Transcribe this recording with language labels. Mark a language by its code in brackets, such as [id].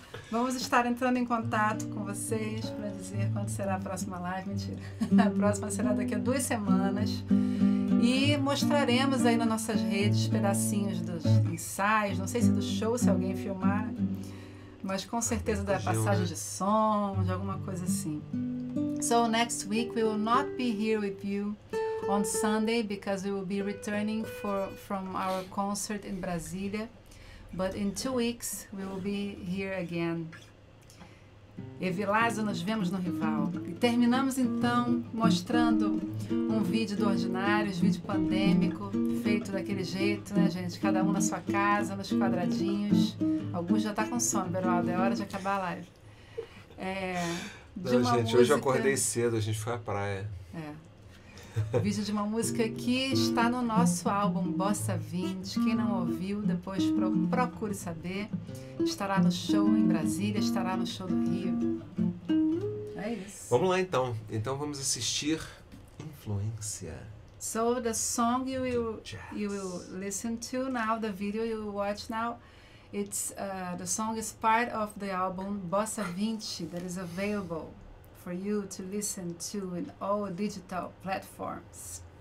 [pt] Vamos estar entrando em contato com vocês para dizer quando será a próxima live. Mentira. A próxima será daqui a 2 semanas. E mostraremos aí nas nossas redes pedacinhos dos ensaios. Não sei se do show, se alguém filmar. Mas com certeza da passagem de som, de alguma coisa assim. [en] So next week we will not be here with you on Sunday because we will be returning from our concert in Brasília. But in 2 weeks we will be here again. [pt] Evilásio, nos vemos no Rival. E terminamos então mostrando um vídeo do Ordinário, um vídeo pandêmico, feito daquele jeito, né, gente? Cada um na sua casa, nos quadradinhos. Alguns já tá com sono, Beraldo, é hora de acabar a live. Hoje eu acordei cedo, a gente foi à praia. Vídeo de uma música que está no nosso álbum Bossa 20. Quem não ouviu, depois procure saber. Estará no show em Brasília, estará no show do Rio. É isso. Vamos lá então. Então vamos assistir Influência. [en] So the song you will listen to now, the video you will watch now, it's the song is part of the album Bossa 20 that is available for you to listen to in all digital platforms.